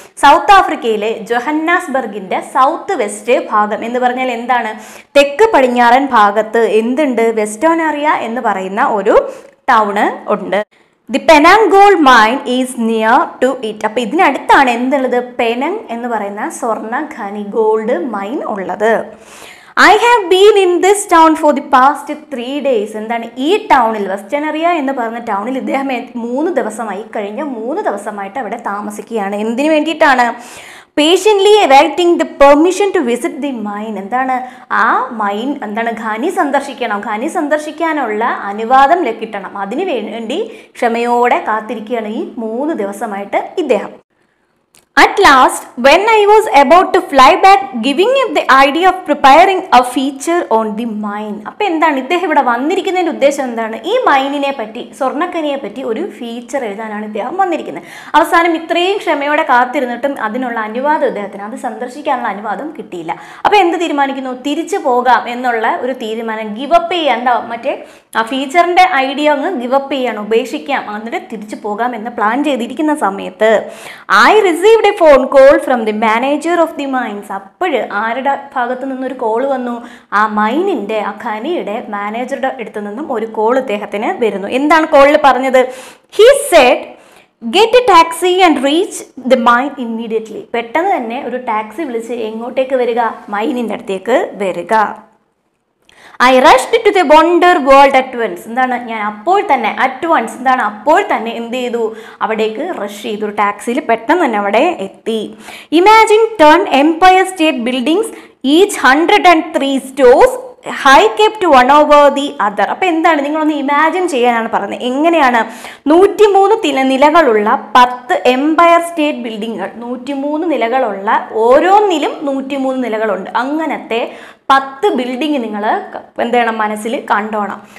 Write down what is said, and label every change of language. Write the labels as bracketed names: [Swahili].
[Malayalam] South ആഫ്രിക്കയിലെ ജോഹന്നാസ്ബർഗിൻ്റെ south west ഭാഗം എന്ന് പറഞ്ഞാൽ എന്താണ്? തെക്ക് പടിഞ്ഞാറൻ ഭാഗത്ത് എന്തുണ്ട്? വെസ്റ്റോനാറിയ എന്ന് പറയുന്ന ഒരു ടൗണ് ഉണ്ട്. [English] The Penang gold mine is near to it. [Malayalam] അപ്പോൾ ഇതിനടുത്താണ് എന്തുള്ളത്? പെനങ് എന്ന് പറയുന്ന സ്വർണ്ണ ഖനി ഗോൾഡ് മൈൻ ഉള്ളത്. [English] I have been in this town for the past 3 days. [Malayalam] എന്താണ് ഈ ടൗണിൽ, വെസ്റ്റനറിയ എന്ന് പറഞ്ഞ ടൗണിൽ ഇദ്ദേഹം 3 ദിവസമായി, കഴിഞ്ഞ 3 ദിവസമായിട്ട് അവിടെ താമസിക്കുകയാണ്. എന്തിനു വേണ്ടിയിട്ടാണ്? [English] Patiently awaiting the permission to visit the mine. [Malayalam] എന്താണ് ആ മൈൻ, എന്താണ് ഖനി സന്ദർശിക്കണം, ഖനി സന്ദർശിക്കാനുള്ള അനുവാദം ലഭിക്കണം, അതിനു വേണ്ടി ക്ഷമയോടെ കാത്തിരിക്കുകയാണ് ഈ 3 ദിവസമായിട്ട് ഇദ്ദേഹം. [English] At last, when I was about to fly back, giving him the idea of preparing a feature on the mine. [Malayalam] അപ്പോൾ എന്താണ് ഇദ്ദേഹം ഇവിടെ വന്നിരിക്കുന്നതിൻ്റെ ഉദ്ദേശം? എന്താണ് ഈ മൈനിനെ പറ്റി, സ്വർണ്ണക്കനിയെ പറ്റി ഒരു ഫീച്ചർ എഴുതാനാണ് ഇദ്ദേഹം വന്നിരിക്കുന്നത്. അവസാനം ഇത്രയും ക്ഷമയോടെ കാത്തിരുന്നിട്ടും അതിനുള്ള അനുവാദം ഇദ്ദേഹത്തിന്, അത് സന്ദർശിക്കാനുള്ള അനുവാദം കിട്ടിയില്ല. അപ്പോൾ എന്ത് തീരുമാനിക്കുന്നു? തിരിച്ചു പോകാം എന്നുള്ള ഒരു തീരുമാനം. ഗിവപ്പ് ചെയ്യാം, എന്താ മറ്റേ ആ ഫീച്ചറിൻ്റെ ഐഡിയ അങ്ങ് ഗിവപ്പ് ചെയ്യാൻ, ഉപേക്ഷിക്കാം, എന്നിട്ട് തിരിച്ചു പോകാം എന്ന് പ്ലാൻ ചെയ്തിരിക്കുന്ന സമയത്ത് [English] I received a phone call from the manager of the mines. [Malayalam] അപ്പോൾ ആരുടെ ഭാഗത്തു നിന്നും ഒരു കോൾ വന്നു? ആ മൈനിൻ്റെ, ആ ഖനിയുടെ മാനേജറുടെ അടുത്ത് നിന്നും ഒരു കോൾ ഇദ്ദേഹത്തിന് വരുന്നു. എന്താണ് കോളിൽ പറഞ്ഞത്? [English] He said get a taxi and reach the mine immediately. [Malayalam] പെട്ടെന്ന് തന്നെ ഒരു ടാക്സി വിളിച്ച് എങ്ങോട്ടേക്ക് വരിക? മൈനിൻ്റെ അടുത്തേക്ക് വരിക. [English] I rushed to the wonder world at once. [Malayalam] എന്താണ് ഞാൻ അപ്പോൾ തന്നെ, [English] at once [Malayalam] എന്താണ് അപ്പോൾ തന്നെ, എന്ത് ചെയ്തു? അവിടേക്ക് റഷ് ചെയ്തു, ഒരു ടാക്സിയിൽ പെട്ടെന്ന് തന്നെ അവിടെ എത്തി. [English] Imagine ten Empire State buildings each 103 stories high kept one over the other. [Malayalam] അപ്പോൾ എന്താണ്, നിങ്ങളൊന്ന് ഇമാജിൻ ചെയ്യാനാണ് പറയുന്നത്, എങ്ങനെയാണ് 103 നിലകളുള്ള 10 empire state ബിൽഡിങ്ങുകൾ, 103 നിലകളുള്ള, ഓരോന്നിലും 103 നിലകളുണ്ട്, അങ്ങനത്തെ 10 ബിൽഡിംഗ് നിങ്ങൾ എന്ത് ചെയ്യണം, മനസ്സിൽ കണ്ടോണം.